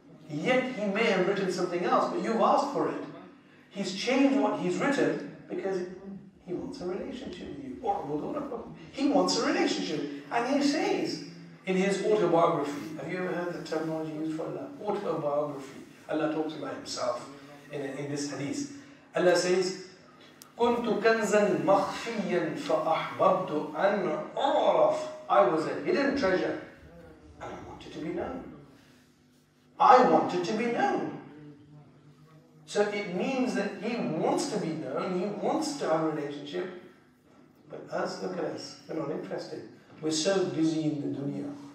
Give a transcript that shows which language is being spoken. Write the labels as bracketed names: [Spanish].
[English] Yet he may have written something else, but you've asked for it. He's changed what he's written because he wants a relationship with you. He wants a relationship. And he says in his autobiography, have you ever heard the terminology used for Allah? Autobiography. Allah talks about himself in this hadith. Allah says, [Arabic] كُنْتُ كَنْزًا مَخْفِيًّا فَأَحْبَبْتُ أَنْ أُعْرَفْ. [English] I was a hidden treasure and I wanted to be known. I wanted to be known. So it means that he wants to be known, he wants to have a relationship. But us, look at us, we're not interested. We're so busy in the dunya.